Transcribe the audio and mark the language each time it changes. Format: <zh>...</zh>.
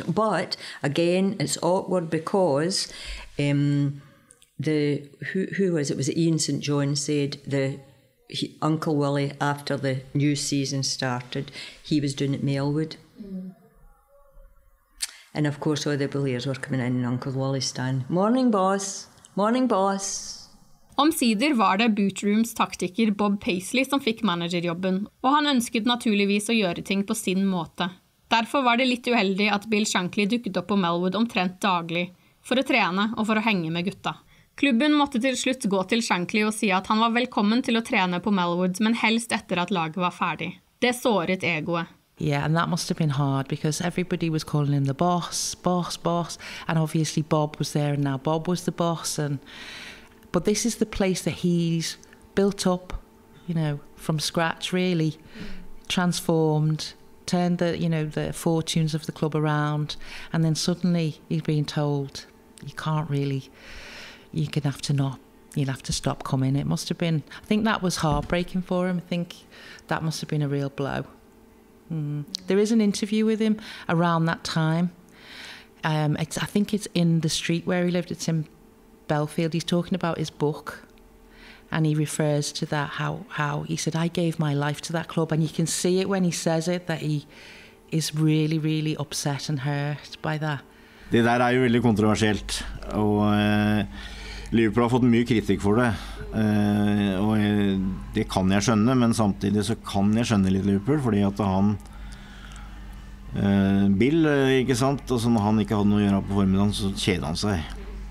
<en>But, again, it's awkward because was it Ian St. John said the Uncle Willie, after the new season started, he was doing it at Mailwood. Mm. And of course, all the Bulliers were coming in and Uncle Willie stand. Morning, boss. Morning, boss.</en> <no>Omsider var det Bootrooms taktiker Bob Paisley som fikk managerjobben, og han ønsket naturligvis å gjøre ting på sin måte. Derfor var det litt uheldig at Bill Shankly dukket opp på Mailwood omtrent daglig, for å trene og for å henge med gutta. Klubben måtte til slutt gå til Shankly og si at han var velkommen til å trene på Mailwood, men helst etter at laget var ferdig. Det såret egoet.</no> <en>Yeah, and that must have been hard because everybody was calling in the boss, boss, boss, and obviously Bob was there and now Bob was the boss. But this is the place that he's built up, you know, from scratch really, transformed, turned the, you know, the fortunes of the club around, and then suddenly he's being told you can't really... You'll have to stop coming. It must have been... I think that was heartbreaking for him. I think that must have been a real blow. Mm. There is an interview with him around that time. I think it's in the street where he lived. It's in Belfield. He's talking about his book. And he refers to that, how he said, I gave my life to that club. And you can see it when he says it, that he is really, really upset and hurt by that.</en> <no>Det der er jo veldig kontroversielt, og Liverpool har fått mye kritikk for det, og det kan jeg skjønne, men samtidig så kan jeg skjønne litt Liverpool, fordi at han, Bill, ikke sant, altså når han ikke hadde noe å gjøre på formiddagen, så kjedet han seg.</no>